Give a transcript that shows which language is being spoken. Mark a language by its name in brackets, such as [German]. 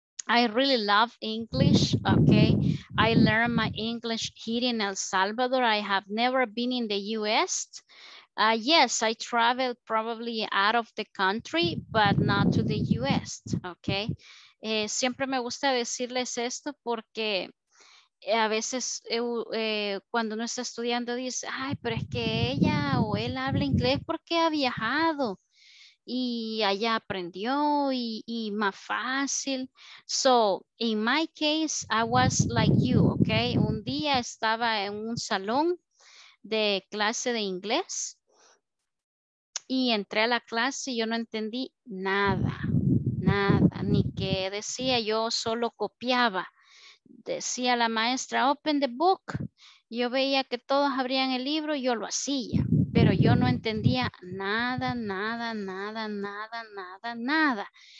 [English] I really love English, okay? I learned my English here in El Salvador. I have never been in the US. Yes, I traveled probably out of the country, but not to the US, okay? [Spanish] Siempre me gusta decirles esto porque a veces cuando uno está estudiando dice, ay, pero es que ella o él habla inglés porque ha viajado y allá aprendió y más fácil. [English] So, in my case, I was like you, okay? [Spanish] Un día estaba en un salón de clase de inglés y entré a la clase y yo no entendí nada, nada, ni qué decía, yo solo copiaba. Decía la maestra, [English] open the book. [Spanish] Yo veía que todos abrían el libro y yo lo hacía, pero yo no entendía nada, nada, nada, nada, nada, nada.